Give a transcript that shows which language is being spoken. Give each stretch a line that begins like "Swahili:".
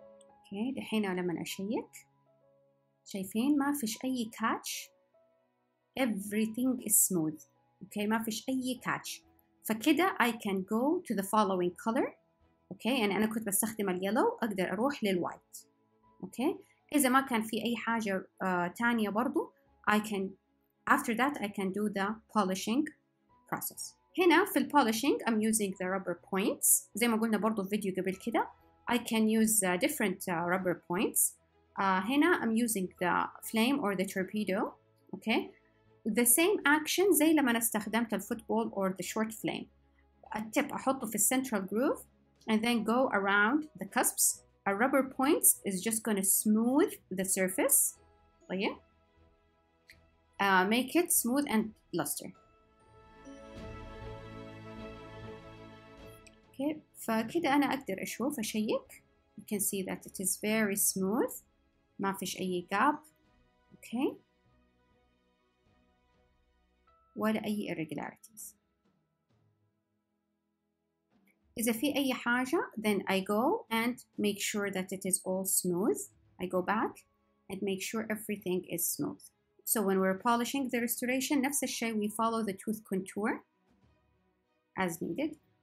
Arabic: اوكي, دحين لما أشيك شايفين ما فيش أي catch
English: everything is smooth.
Arabic: Okay, ما فيش أي كاتش. فكده
English: I can go to the following color.
Arabic: Okay, يعني أنا كنت بستخدم اليلو أقدر أروح للوايت. Okay, إذا ما كان في أي حاجة تانية برضو
English: I can, after that I can do the polishing process.
Arabic: هنا في البولشينج
English: I'm using the rubber points.
Arabic: زي ما قلنا برضو في فيديو قبل كده
English: I can use different rubber points. هنا I'm using the flame or the torpedo. Okay, the same action
Arabic: زي لما أنا استخدمت الفوتبول
English: or the short flame.
Arabic: التيب أحطه في central groove
English: and then go around the cusps. A rubber points is just gonna smooth the surface.
Arabic: طيب
English: make it smooth and luster.
Arabic: Okay, فكده أنا أقدر أشوف أشيك.
English: You can see that it is very smooth.
Arabic: ما فيش أي gap. Okay. ولا أي irregularities. إذا في أي حاجة,
English: then I go and make sure that it is all smooth. I go back and make sure everything is smooth. So when we're polishing the restoration,
Arabic: نفس الشيء,
English: we follow the tooth contour as needed.